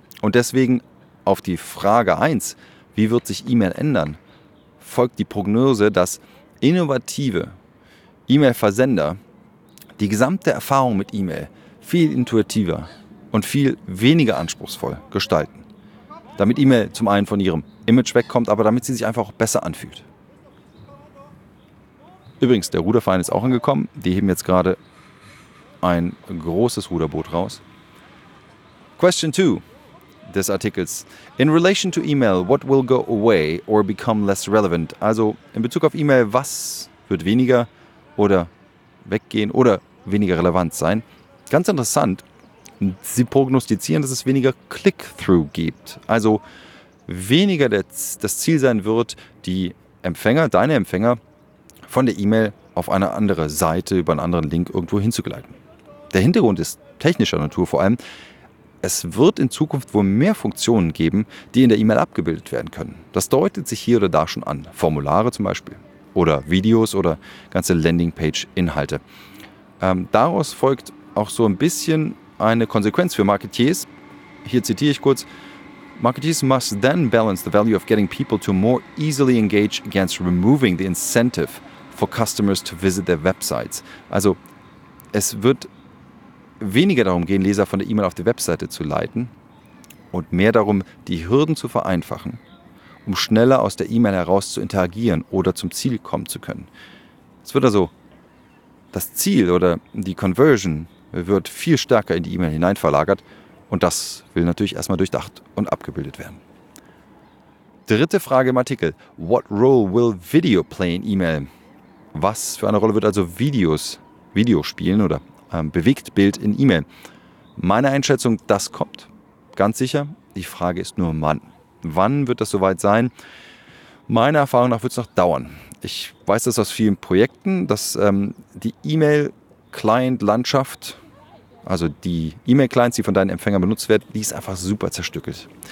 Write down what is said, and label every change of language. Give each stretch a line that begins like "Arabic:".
German: Und deswegen auf die Frage 1, wie wird sich E-Mail ändern, folgt die Prognose, dass innovative E-Mail-Versender die gesamte Erfahrung mit E-Mail viel intuitiver und viel weniger anspruchsvoll gestalten. Damit E-Mail zum einen von ihrem Image wegkommt, aber damit sie sich einfach auch besser anfühlt. Übrigens, der Ruderverein ist auch angekommen. Die heben jetzt gerade ein großes Ruderboot raus. Question 2 des Artikels.
English: In relation to E-Mail, what will go away or become less relevant?
German: Also in Bezug auf E-Mail, was wird weniger oder weggehen oder weniger relevant sein. Ganz interessant, sie prognostizieren, dass es weniger Click-Through gibt. Also weniger das Ziel sein wird, die Empfänger, deine Empfänger, von der E-Mail auf eine andere Seite über einen anderen Link irgendwo hinzugleiten. Der Hintergrund ist technischer Natur vor allem. Es wird in Zukunft wohl mehr Funktionen geben, die in der E-Mail abgebildet werden können. Das deutet sich hier oder da schon an. Formulare zum Beispiel. Oder Videos oder ganze Landingpage-Inhalte. Daraus folgt auch so ein bisschen eine Konsequenz für Marketeers. Hier zitiere ich kurz.
English: Marketeers must then balance the value of getting people to more easily engage against removing the incentive for customers to visit their websites.
German: Also es wird weniger darum gehen, Leser von der E-Mail auf die Webseite zu leiten und mehr darum, die Hürden zu vereinfachen, um schneller aus der E-Mail heraus zu interagieren oder zum Ziel kommen zu können. Es wird also das Ziel oder die Conversion wird viel stärker in die E-Mail hineinverlagert und das will natürlich erstmal durchdacht und abgebildet werden. Dritte Frage im Artikel.
English: What role will video play in E-Mail?
German: Was für eine Rolle wird also Video spielen oder bewegt Bild in E-Mail? Meine Einschätzung, das kommt. Ganz sicher, die Frage ist nur wann. Wann wird das soweit sein? Meiner Erfahrung nach wird es noch dauern. Ich weiß das aus vielen Projekten, dass die E-Mail-Client-Landschaft, also die E-Mail-Clients, die von deinen Empfängern benutzt werden, die ist einfach super zerstückelt.